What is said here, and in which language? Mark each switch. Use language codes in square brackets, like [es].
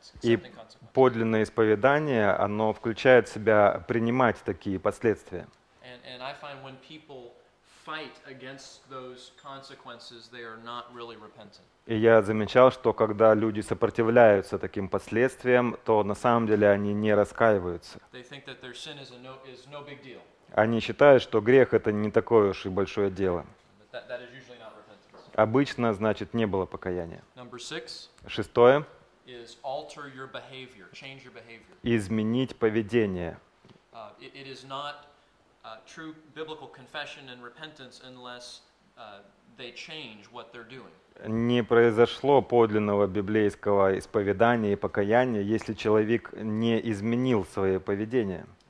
[ru] И подлинное исповедание, оно включает в себя принимать такие последствия. [en] And I find when people fight against those consequences, they are not really repentant. [ru] И я замечал, что когда люди сопротивляются таким последствиям, то на самом деле они не раскаиваются. [en] They think that their sin is no big deal. [ru] Они считают, что грех — это не такое уж и большое дело. [en] That is usually not repentance. [ru] Обычно, значит, не было покаяния. [en] Number six. [ru] Шестое. [en] Is alter your behavior, change your behavior. [ru] Изменить поведение. [en] It is not true biblical confession and repentance unless they change what they're doing. [ru] Не произошло подлинного библейского исповедания и покаяния, если человек не изменил свое поведение.